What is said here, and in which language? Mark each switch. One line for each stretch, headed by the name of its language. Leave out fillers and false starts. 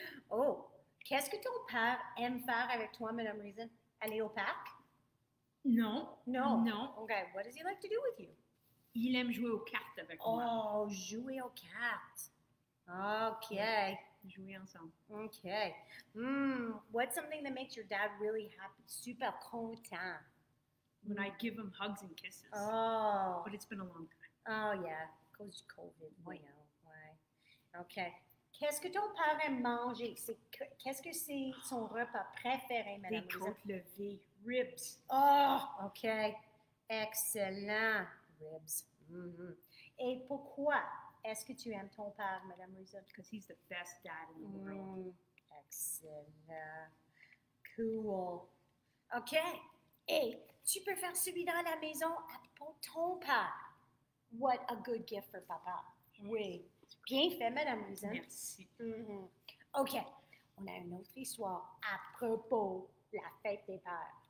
French: Oh, qu'est-ce que ton père aime faire avec toi, Madame Reason? Aller au parc? Non. Non? Non.
English: Okay, what does he like to do with you?
French: Il aime jouer aux cartes avec oh, moi. Oh, jouer aux cartes. Okay. Jouer ensemble. Okay.
English: Hmm, what's something that makes your dad really happy,
French: super content?
English: When I give him hugs and kisses. Oh. But it's been a long time. Oh, yeah. Because of COVID. Oh, yeah. Why? Okay.
French: Qu'est-ce que ton père aime manger? Qu'est-ce que c'est son repas préféré, Madame Reason? Des côtes levées. Ribs.
English: Oh, OK. Excellent. Ribs. Mm-hmm.
French: Et pourquoi est-ce que tu aimes ton père, Madame Reason?
English: Because he's the best dad in the world. Excellent. Cool. OK.
French: Et tu peux faire celui dans la maison pour ton père.
English: What a good gift for papa.
French: Oui. Bien fait, Madame Reason. Merci. Mm-hmm. OK. On a une autre histoire à propos de la fête des pères.